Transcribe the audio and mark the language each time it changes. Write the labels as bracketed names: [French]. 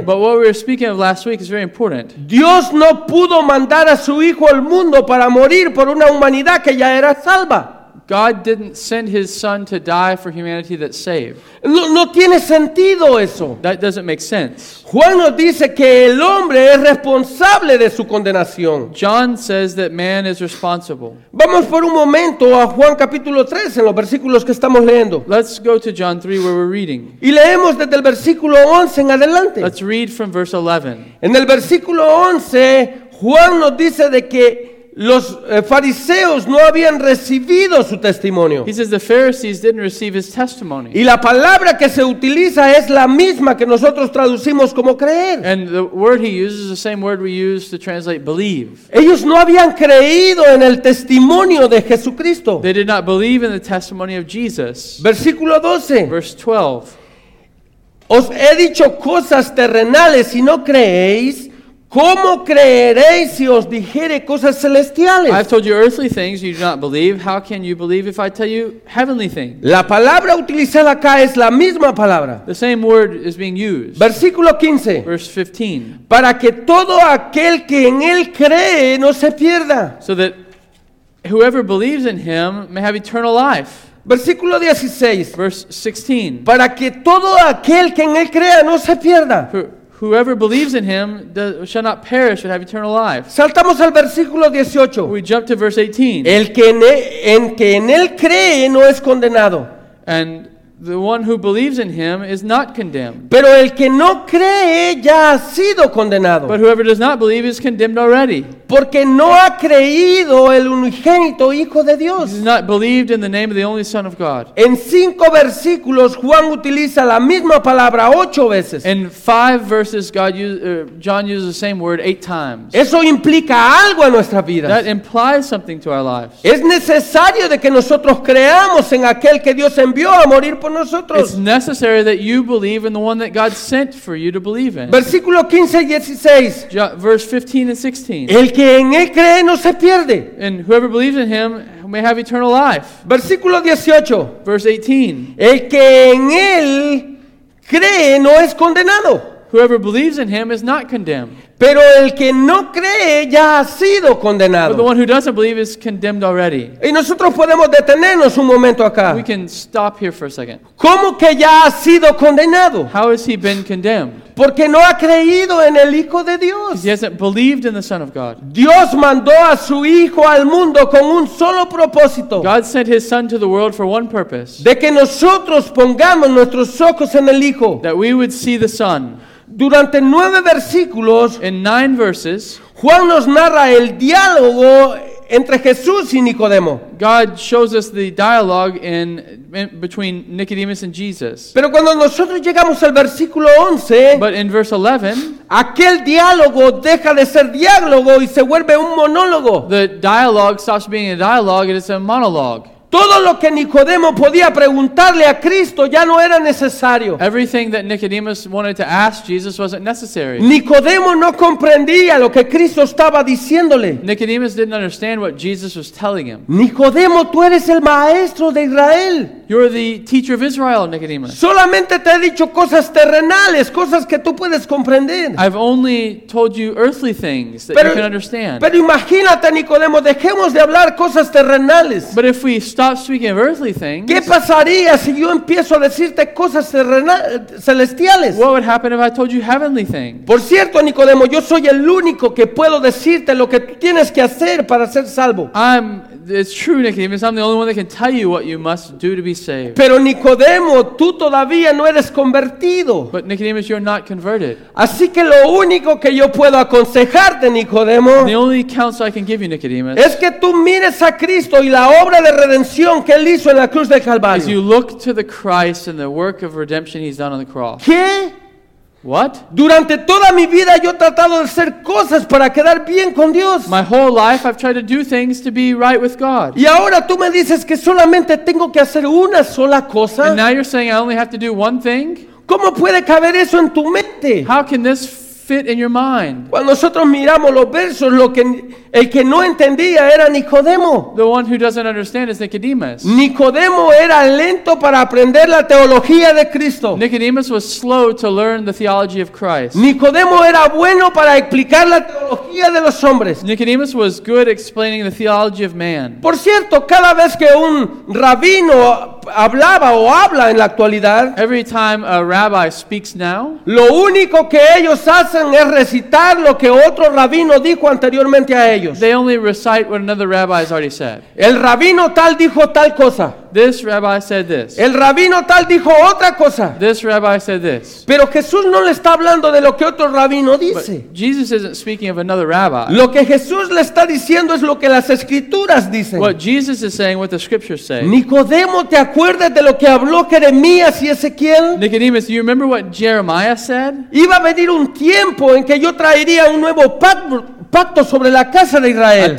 [English] But what we were speaking of last week is very important. [Spanish] Dios no pudo mandar a su Hijo al mundo para morir por una humanidad que ya era salva. [English] God didn't send His Son to die for humanity that's saved. [Spanish] No tiene sentido eso. [English] That doesn't make sense. [Spanish] Juan nos dice que el hombre es responsable de su condenación. [English] John says that man is responsible. [Spanish] Vamos por un momento a Juan capítulo 3 en los versículos que estamos leyendo. [English] Let's go to John 3 where we're reading. [Spanish] Y leemos desde el versículo 11 en adelante. [English] Let's read from verse 11. [Spanish] En el versículo 11, Juan nos dice de que los fariseos no habían recibido su testimonio. [English] He says the Pharisees didn't receive his testimony. [Spanish] Y la palabra que se utiliza es la misma que nosotros traducimos como creer. [English] And the word he uses is the same word we use to translate believe. [Spanish] Ellos no habían creído en el testimonio de Jesucristo. [English] They did not believe in the testimony of Jesus. [Spanish] Versículo 12. [English] Verse 12. [Spanish] Os he dicho cosas terrenales y no creéis. ¿Cómo creeréis si os dijere cosas celestiales? [English] I've told you earthly things you do not believe. How can you believe if I tell you heavenly things? [Spanish] La palabra utilizada acá es la misma palabra. [English] The same word is being used. [Spanish] Versículo 15. [English] Verse 15. [Spanish] Para que todo aquel que en él cree no se pierda. [English] So that whoever believes in him may have eternal life. [Spanish] Versículo 16. [English] Verse 16. [Spanish] Para que todo aquel que en él crea no se pierda. [English] Whoever believes in him shall not perish but have eternal life. [Spanish] Saltamos al versículo 18. [English] We jump to verse 18. [Spanish] El que en él cree no es condenado. [English] And the one who believes in him is not condemned. [Spanish] Pero el que no cree ya ha sido condenado. [English] But whoever does not believe is condemned already. [Spanish] Porque no ha creído el unigénito Hijo de Dios. [English] He has not believed in the name of the only Son of God. [Spanish] En cinco versículos, Juan utiliza la misma palabra ocho veces. [English] In five verses, John uses the same word eight times. [Spanish] Eso implica algo en nuestras vidas. [English] That implies something to our lives. [Spanish] Es necesario de que nosotros creamos en aquel que Dios envió a morir por nosotros. [English] It's necessary that you believe in the one that God sent for you to believe in. [Spanish] Versículo 15 y 16. [English] Verse 15 and 16. [Spanish] El que en él cree no se pierde. [English] And whoever believes in him may have eternal life. [Spanish] Versículo 18. [English] Verse 18. [Spanish] El que en él cree no es condenado. [English] Whoever believes in him is not condemned. [Spanish] Pero el que no cree ya ha sido condenado. [English] But the one who doesn't believe is condemned already. [Spanish] Y nosotros podemos detenernos un momento acá. [English] We can stop here for a second. [Spanish] ¿Cómo que ya ha sido condenado? [English] How has he been condemned? [Spanish] Porque no ha creído en el Hijo de Dios. [English] He hasn't believed in the Son of God. [Spanish] Dios mandó a su Hijo al mundo con un solo propósito. [English] God sent his Son to the world for one purpose. [Spanish] De que nosotros pongamos nuestros ojos en el Hijo. [English] That we would see the Son. [Spanish] Durante nueve versículos, [English] in nine verses, [Spanish] Juan nos narra el diálogo entre Jesús y Nicodemo. [English] God shows us the dialogue in between Nicodemus and Jesus. [Spanish] Pero cuando nosotros llegamos al versículo 11, [English] but in verse 11, [Spanish] aquel diálogo deja de ser diálogo y se vuelve un monólogo. [English] The dialogue stops being a dialogue and it's a monologue. [Spanish] Todo lo que Nicodemo podía preguntarle a Cristo ya no era necesario. [English] Everything that Nicodemus wanted to ask Jesus wasn't necessary. [Spanish] Nicodemo no comprendía lo que Cristo estaba diciéndole. [English] Nicodemus didn't understand what Jesus was telling him. [Spanish] Nicodemo, tú eres el maestro de Israel. [English] You're the teacher of Israel, Nicodemus. [Spanish] Solamente te he dicho cosas terrenales, cosas que tú puedes comprender. [English] I've only told you earthly things that you can understand. [Spanish] Pero imagínate, Nicodemo, dejemos de hablar cosas terrenales. [English] But if we stop speaking of earthly things, [Spanish] ¿qué pasaría si yo empiezo a decirte cosas celestiales? [English] What would happen if I told you heavenly things? [Spanish] Por cierto, Nicodemo, yo soy el único que puedo decirte lo que tú tienes que hacer para ser salvo. [English] It's true, Nicodemus. I'm the only one that can tell you what you must do to be saved. [Spanish] Pero Nicodemo, tú todavía no eres convertido. [English] But Nicodemus, you're not converted. [Spanish] Así que lo único que yo puedo aconsejarte, Nicodemo, [English] the only counsel I can give you, Nicodemus, [Spanish] es que tú mires a Cristo y la obra de redención que él hizo en la cruz del Calvario. [English] As you look to the Christ and the work of redemption he's done on the cross. [Spanish] ¿Qué? [English] What? [Spanish] Durante toda mi vida yo he tratado de hacer cosas para quedar bien con Dios. [English] My whole life I've tried to do things to be right with God. [Spanish] Y ahora tú me dices que solamente tengo que hacer una sola cosa. [English] And now you're saying I only have to do one thing? [Spanish] ¿Cómo puede caber eso en tu mente? [English] How can this fit in your mind? [Spanish] Cuando nosotros miramos los versos, el que no entendía era Nicodemo. [English] The one who doesn't understand is Nicodemus. [Spanish] Nicodemo era lento para aprender la teología de Cristo. [English] Nicodemus was slow to learn the theology of Christ. [Spanish] Nicodemo era bueno para explicar la teología de los hombres. [English] Nicodemus was good explaining the theology of man. [Spanish] Por cierto, cada vez que un rabino hablaba o habla en la actualidad, [English] every time a rabbi speaks now, [Spanish] lo único que ellos hacen es recitar lo que otro rabino dijo anteriormente a él. [English] They only recite what another rabbi has already said. [Spanish] El rabino tal dijo tal cosa. [English] This rabbi said this. [Spanish] El rabino tal dijo otra cosa. [English] This rabbi said this. [Spanish] Pero Jesús no le está hablando de lo que otro rabino dice. [English] But Jesus isn't speaking of another rabbi. [Spanish] Lo que Jesús le está diciendo es lo que las escrituras dicen. [English] What Jesus is saying, what the scriptures say. [Spanish] Nicodemo, ¿te acuerdas de lo que habló Jeremías y Ezequiel? [English] Nicodemus, do you remember what Jeremiah said? [Spanish] Iba a venir un tiempo en que yo traería un nuevo pacto sobre la casa de Israel.